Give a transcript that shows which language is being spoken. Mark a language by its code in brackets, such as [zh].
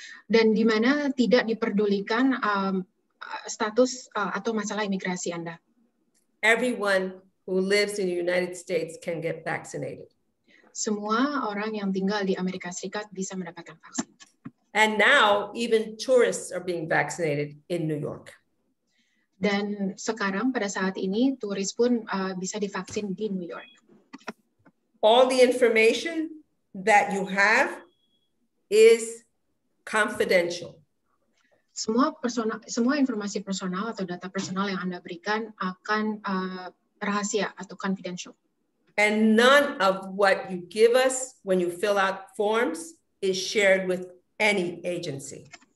[id] Dan di mana tidak diperdulikan status atau masalah imigrasi Anda. [en] Everyone who lives in the United States can get vaccinated. [id] Semua orang yang tinggal di Amerika Serikat bisa mendapatkan vaksin. [en] And now even tourists are being vaccinated in New York. [id] Dan sekarang pada saat ini turis pun bisa divaksin di New York. [en] All the information that you have is confidential. [id] Semua informasi personal atau data personal yang Anda berikan akan rahasia atau confidential. [en] And none of what you give us when you fill out forms is shared with any agency.